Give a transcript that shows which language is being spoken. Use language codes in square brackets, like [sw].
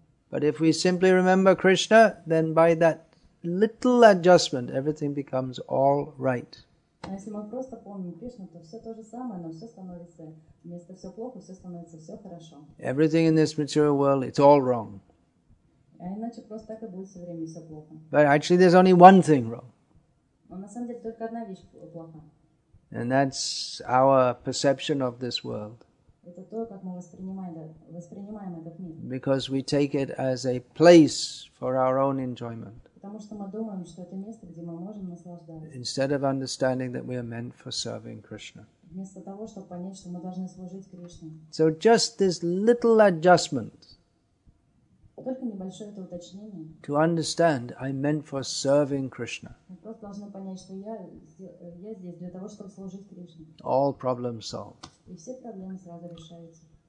[en] But if we simply remember Krishna, then by that little adjustment, everything becomes all right. [ru] А если мы просто помним Кришну, то все то же самое, но все становится, вместо все плохо, все становится все хорошо. [en] Everything in this material world, it's all wrong. [ru] А иначе просто так и будет все время все плохо. [en] But actually there's only one thing wrong. [ru] Но на самом деле только одна вещь плоха. [en] And that's our perception of this world. [ru] Это то, как мы воспринимаем этот мир. [en] Because we take it as a place for our own enjoyment. [ru] Потому что мы думаем, что это место, где мы можем наслаждаться. [en] Instead of understanding that we are meant for serving Krishna. [ru] Вместо того, чтобы понять, что мы должны служить Кришне. [en] So just this little adjustment. [ru] Только небольшое это уточнение. [en] To understand, I'm meant for serving Krishna. [ru] Мы просто должны понять, что я здесь для того, чтобы служить Кришне. [en] All problems solved. [ru] И все проблемы сразу решаются.